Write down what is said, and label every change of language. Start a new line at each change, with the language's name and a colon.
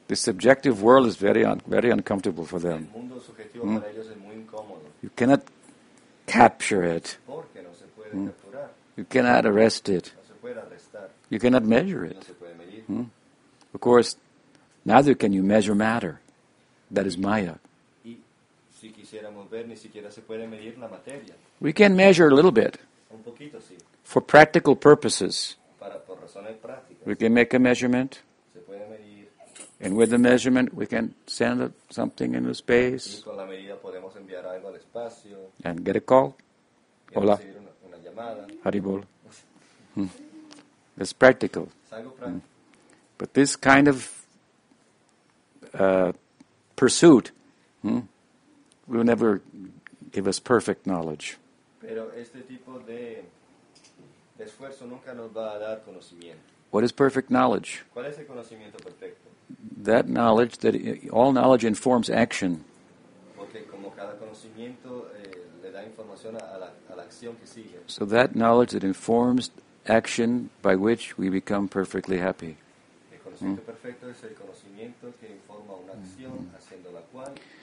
English: The subjective world is very uncomfortable for them.
Spanish: El mundo subjetivo para ellos es muy incómodo.
English: You cannot capture it.
Spanish: Porque no se puede capturar.
English: You cannot arrest it.
Spanish: No se puede arrestar.
English: You cannot measure it.
Spanish: No se puede medir.
English: Of course, neither can you measure matter. That is Maya.
Spanish: Si quisiéramos ver, ni siquiera se puede medir la materia.
English: We can measure a little bit.
Spanish: Un poquito, sí.
English: For practical purposes.
Spanish: Por razones prácticas.
English: We can make a measurement.
Spanish: Se puede medir.
English: And with the measurement, we can send something into space.
Spanish: Y con la medida podemos enviar algo al espacio.
English: And get a call.
Spanish: Y hola. Recibir una llamada.
English: Haribol. It's practical.
Spanish: Es algo práctico.
English: But this kind of pursuit. Will never give us perfect knowledge.
Spanish: Pero este tipo de esfuerzo nunca nos va a dar conocimiento.
English: What is perfect knowledge?
Spanish: ¿Cuál es el conocimiento perfecto?
English: That knowledge, that all knowledge informs action.
Spanish: Porque como cada conocimiento le da información a la acción que sigue.
English: So that knowledge that informs action by which we become perfectly happy.
Spanish: El conocimiento perfecto es el conocimiento que informa una acción haciendo la cual.